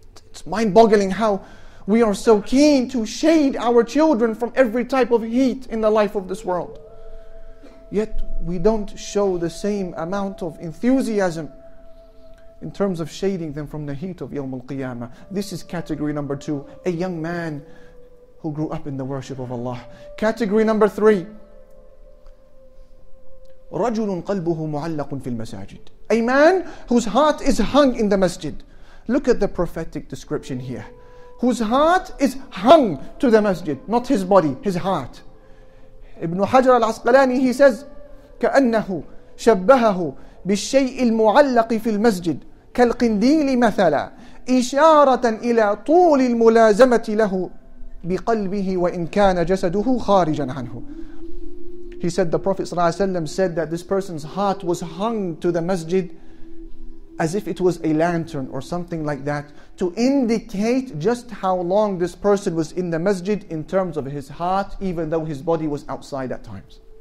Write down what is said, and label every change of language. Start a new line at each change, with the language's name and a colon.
English: It's mind-boggling how we are so keen to shade our children from every type of heat in the life of this world. Yet we don't show the same amount of enthusiasm in terms of shading them from the heat of Yawm al-Qiyamah. This is category number two, a young man who grew up in the worship of Allah. Category number three,
Arabic: رَجُلٌ قَلْبُهُ مُعَلَّقٌ فِي الْمَسَاجِدِ.
English: A man whose heart is hung in the masjid. Look at the prophetic description here. Whose heart is hung to the masjid, not his body, his heart. Ibn Hajar al-Asqalani, he says,
Arabic: كَأَنَّهُ شَبَّهَهُ بِالشَّيْءِ الْمُعَلَّقِ فِي الْمَسْجِدِ كَالْقِنْدِيلِ مَثَلًا إِشَارَةً إِلَىٰ طُولِ الْمُلَازَمَةِ لَهُ بِقَلْبِهِ وَإِنْ كَانَ جَسَدُهُ خَارِجًا عَنْهُ.
English: He said the Prophet ﷺ said that this person's heart was hung to the masjid as if it was a lantern or something like that to indicate just how long this person was in the masjid in terms of his heart, even though his body was outside at times.